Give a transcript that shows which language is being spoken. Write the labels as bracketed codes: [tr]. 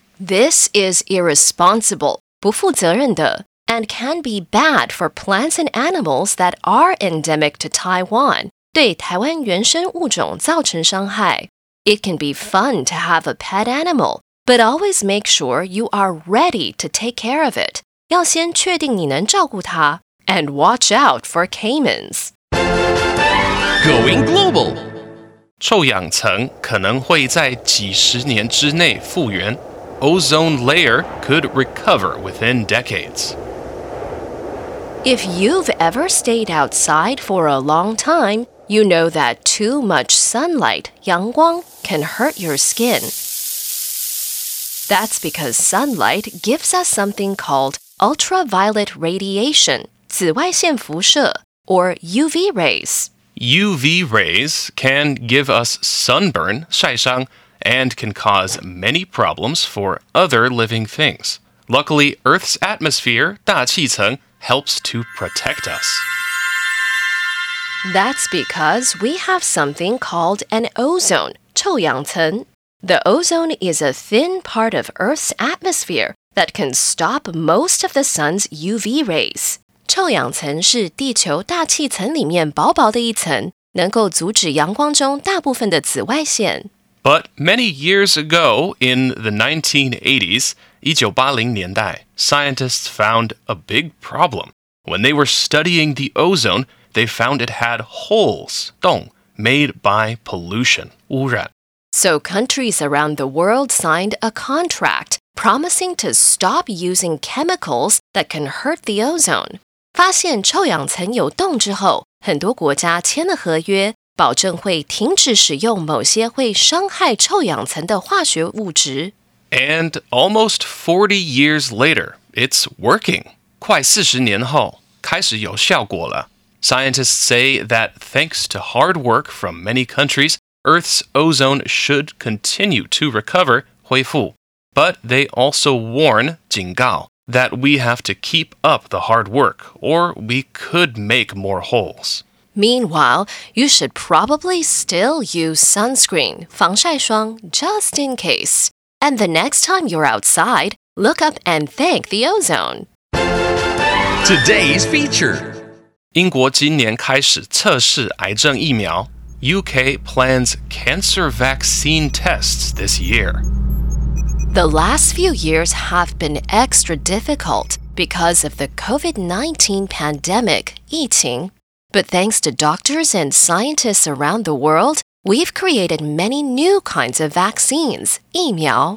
[en] This is irresponsible, [zh] 不负责任的, [en] and can be bad for plants and animals that are endemic to Taiwan, [zh] 对台湾原生物种造成伤害. [en] It can be fun to have a pet animal, but always make sure you are ready to take care of it, [zh] 要先确定你能照顾它, [en] and watch out for caimans. Going global! [zh] 臭氧层可能会在几十年之内复原。 [en] Ozone layer could recover within decades. If you've ever stayed outside for a long time, you know that too much sunlight, 阳光, can hurt your skin. That's because sunlight gives us something called ultraviolet radiation, 紫外线辐射, or UV rays. UV rays can give us sunburn, [zh] 晒伤, [en] and can cause many problems for other living things. Luckily, Earth's atmosphere, [zh] 大气层, [en] helps to protect us. That's because we have something called an ozone, 臭氧层. The ozone is a thin part of Earth's atmosphere that can stop most of the sun's UV rays. [zh] 臭氧层是地球大气层里面薄薄的一层，能够阻止阳光中大部分的紫外线。 [en] But many years ago, in the 1980s, [zh] 1980年代, [en] scientists found a big problem. When they were studying the ozone, they found it had holes, [zh] 洞, [en] made by pollution, [zh] 污染。 [en] So countries around the world signed a contract, promising to stop using chemicals that can hurt the ozone. [zh] 发现臭氧层有洞之后，很多国家签了合约，保证会停止使用某些会伤害臭氧层的化学物质。 [en] And almost 40 years later, it's working. [zh] 快四十年后，开始有效果了。 [en] Scientists say that thanks to hard work from many countries, Earth's ozone should continue to recover, [zh] 恢复。 [en] But they also warn, [zh] 警告。 [en] That we have to keep up the hard work, or we could make more holes. Meanwhile, you should probably still use sunscreen, 防晒霜, just in case. And the next time you're outside, look up and thank the ozone. Today's feature. [zh] 英国今年开始测试癌症疫苗。 [en] UK plans cancer vaccine tests this year. The last few years have been extra difficult because of the COVID-19 pandemic, 疫情. But thanks to doctors and scientists around the world, we've created many new kinds of vaccines, 疫苗.